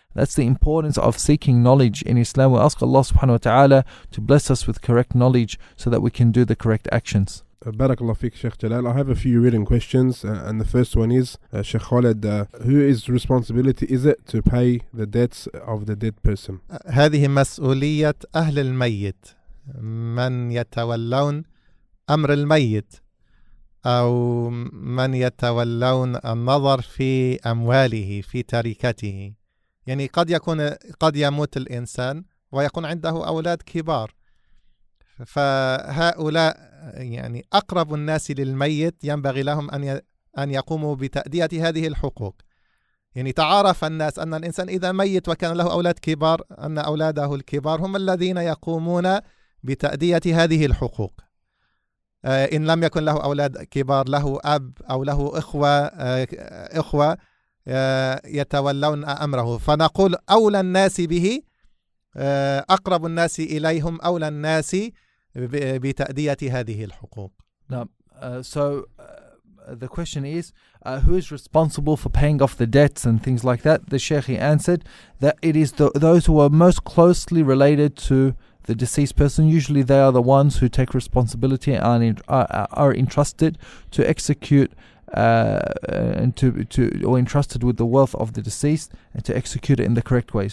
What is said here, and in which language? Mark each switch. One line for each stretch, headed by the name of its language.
English: That's the importance of seeking knowledge in Islam. We ask Allah subhanahu wa ta'ala to bless us with correct knowledge so that we can do the correct actions. Barakallah fiqh, Sheikh Jalal. I have a few written questions. And the first one is, Sheikh Khaled, who is responsibility is it to pay the debts of the dead person?
Arabic: هذه مسؤولية أهل الميت. من يتولون أمر الميت أو من يتولون النظر في أمواله في تركته، يعني قد يموت الإنسان ويكون عنده أولاد كبار، فهؤلاء يعني أقرب الناس للميت، ينبغي لهم أن يقوموا بتأدية هذه الحقوق. يعني تعرف الناس أن الإنسان إذا ميت وكان له أولاد كبار، أن أولاده الكبار هم الذين يقومون بتأدية هذه الحقوق. إن لم يكن له أولاد كبار، له أب أو له إخوة يتولون أمره، فنقول أولى الناس به، أقرب الناس إليهم أولى الناس بتأدية هذه الحقوق. نعم.
English: So the question is, who is responsible for paying off the debts and things like that? The sheikh, he answered that it is those who are most closely related to the deceased person. Usually they are the ones who take responsibility and are entrusted to execute or entrusted with the wealth of the deceased and to execute it in the correct ways.